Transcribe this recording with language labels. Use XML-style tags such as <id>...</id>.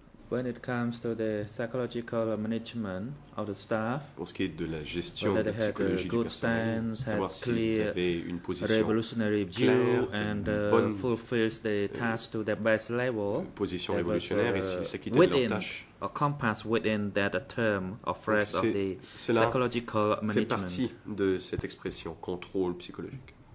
<en>When it comes to the psychological management of the staff,</en> <fr>pour ce qui est de la gestion de la psychologie du personnel, savoir s'ils avaient une position position révolutionnaire et s'ils s'acquittaient de leurs tâches.</fr> <en>Or compass within that term or phrase of the psychological management.</en> <fr>Cela fait partie de cette expression, contrôle psychologique.</fr>